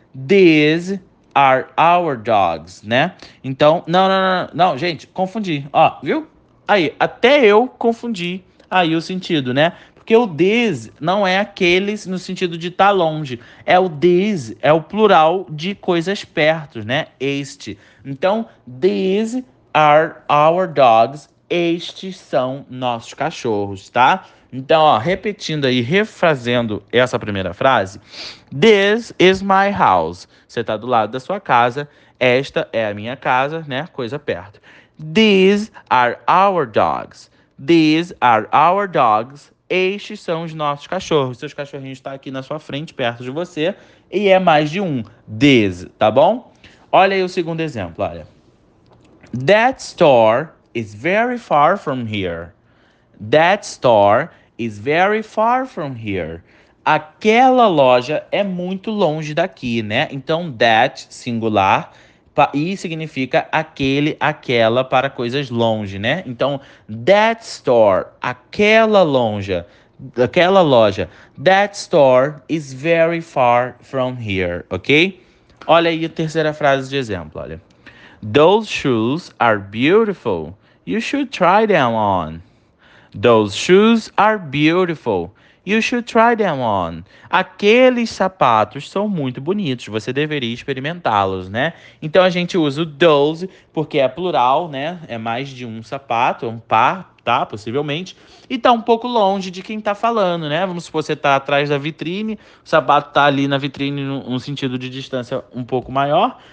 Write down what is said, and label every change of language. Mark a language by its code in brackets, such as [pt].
[en] These are our dogs, [pt] né? Então, não, não, não, não, gente, confundi, ó, viu? Aí, até eu confundi aí o sentido, né? Porque o this não é aqueles no sentido de estar tá longe. É o this, é o plural de coisas perto, né? Este. Então, [en] these are our dogs. [pt] Estes são nossos cachorros, tá? Então, ó, repetindo aí, refazendo essa primeira frase. [en] This is my house. [pt] Você está do lado da sua casa. Esta é a minha casa, né? Coisa perto. [en] These are our dogs. These are our dogs. [pt] Estes são os nossos cachorros. Seus cachorrinhos estão aqui na sua frente, perto de você, e é mais de um. This, tá bom? Olha aí o segundo exemplo, olha. [en] That store is very far from here. That store is very far from here. [pt] Aquela loja é muito longe daqui, né? Então, that, singular, e significa aquele, aquela para coisas longe, né? Então, that store, aquela loja, aquela loja. [en] That store is very far from here, ok? [pt] Olha aí a terceira frase de exemplo, olha. [en] Those shoes are beautiful. You should try them on. Those shoes are beautiful. You should try them on. [pt] Aqueles sapatos são muito bonitos. Você deveria experimentá-los, né? Então a gente usa o those porque é plural, né? É mais de um sapato, é um par. Tá, possivelmente, e tá um pouco longe de quem tá falando, né? Vamos supor que você tá atrás da vitrine, o sapato tá ali na vitrine, num sentido de distância um pouco maior.